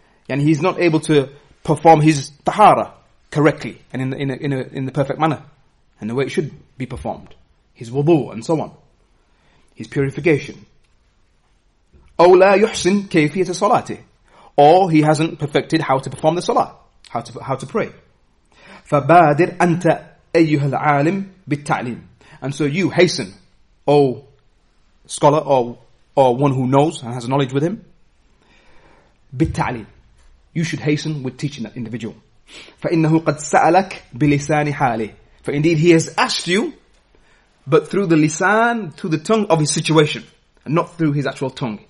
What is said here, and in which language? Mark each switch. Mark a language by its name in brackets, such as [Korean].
[English] And he's not able to perform his tahara correctly and in the perfect manner and the way it should be performed. His wudu and so on. His purification. [Arabic] أو لا يحسن كيفية صلاته. [English] Or he hasn't perfected how to perform the salah. How to pray. [Arabic] فبادر أنت أيها العالم بالتعليم. [English] And so you hasten, O scholar or one who knows and has knowledge with him. بالتعليم. You should hasten with teaching that individual. [Arabic] فَإِنَّهُ قَدْ سَأَلَكْ بِلِسَانِ حَالِهِ. [English] For indeed he has asked you, but through the lisan, through the tongue of his situation, and not through his actual tongue.